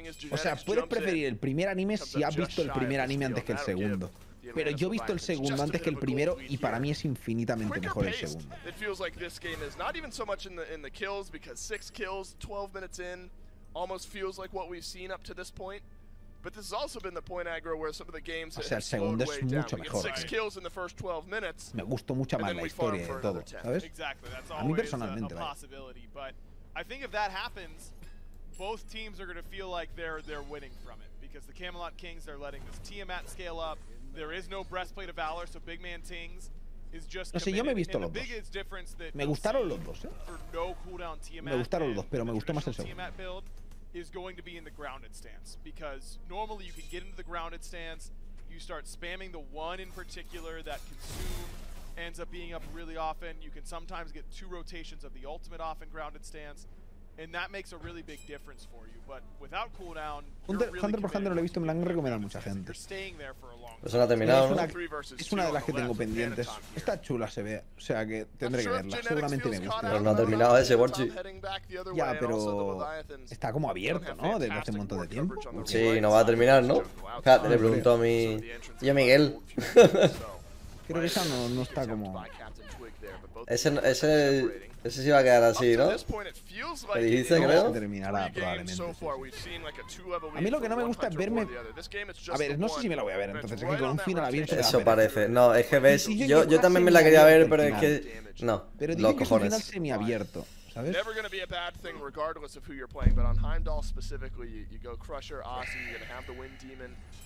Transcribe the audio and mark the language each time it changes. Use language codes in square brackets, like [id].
[es] O sea, puedes preferir el primer anime si has visto el primer anime antes que el segundo. Pero yo he visto el segundo antes que el primero y para mí es infinitamente mejor el segundo. [en] It feels like this game is not even so much in the kills, because 6 kills, 12 minutes in, almost feels like what we've seen up to this point. But this has also been the point aggro where some of the games have slowed way down. We get 6 kills in the first 12 minutes. [es] Me gustó mucho más la historia de todo, ¿sabes? [en] Exactly, that's always a possibility. But I think if that happens, both teams are going to feel like they're winning from it, because the Camelot Kings are letting this Tiamat scale up. There is no Breastplate of Valor, so Big Man Tings is just. [es] No sé, yo me he visto los dos. Me gustaron los dos, ¿eh? Me gustaron los dos, pero me gustó más el segundo. [en] Is going to be in the grounded stance, because normally you can get into the grounded stance, you start spamming the one in particular that consume ends up being up really often. You can sometimes get two rotations of the ultimate off in grounded stance, and that makes a really big difference for you. But without cooldown, you're staying there for a long time. [es] Pues ahora terminado, ¿no? Es una de las que tengo pendientes. Está chula, se ve. O sea que tendré que verla. Seguramente me gusta. Pero no ha terminado ese, Borchi. Ya, pero está como abierto, ¿no? Desde hace un montón de tiempo. Sí, no va a terminar, ¿no? Fíjate, le pregunto a mi. Y a Miguel. Creo que esa no está como. Ese sí va a quedar así, ¿no? ¿Te dijiste, creo? Terminará, probablemente. Sí. A mí lo que no me gusta es verme. A ver, no sé si me la voy a ver, entonces. Es que con un final abierto. Eso parece. No, es que ves. Yo también me la quería ver, pero es que. No. Pero digo que es un final semiabierto, ¿sabes? [en] Never gonna be a bad thing, regardless of who you're playing. But on Heimdall specifically, you go Crusher, Ossie, you're gonna have the Wind Demon.